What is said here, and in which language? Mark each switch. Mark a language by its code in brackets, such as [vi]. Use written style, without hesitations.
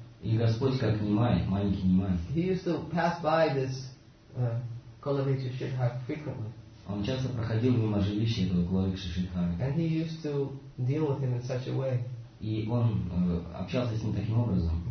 [ru] И Господь как Нимай, маленький Нимай. [en] He used to pass by this Kulavriksha Sridhara frequently. [ru] Он часто проходил мимо жилища этого Кулавриксы Сридхары. [en] And he used to deal with him in such a way. [ru] И он общался с ним таким образом.